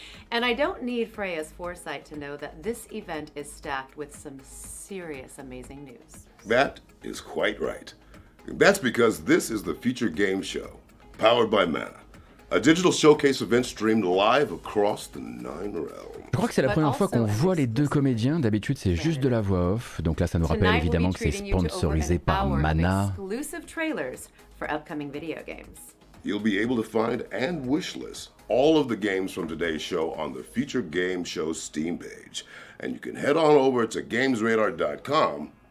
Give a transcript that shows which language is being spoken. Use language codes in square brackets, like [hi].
[en] And I don't need Freya's foresight to know that this event is staffed with some serious amazing news. That is quite right. That's because this is the Future Game Show, powered by Mana, a digital showcase event streamed live across the nine realms. [fr] Je crois que c'est la première fois qu'on voit les deux comédiens. D'habitude, c'est juste de la voix off. Donc là, ça nous rappelle évidemment que c'est sponsorisé par Mana. [en] Exclusive trailers for upcoming video games. You'll be able to find and wishlist all of the games from today's show on the Future Game Show Steam page, and you can head on over to GamesRadar.com.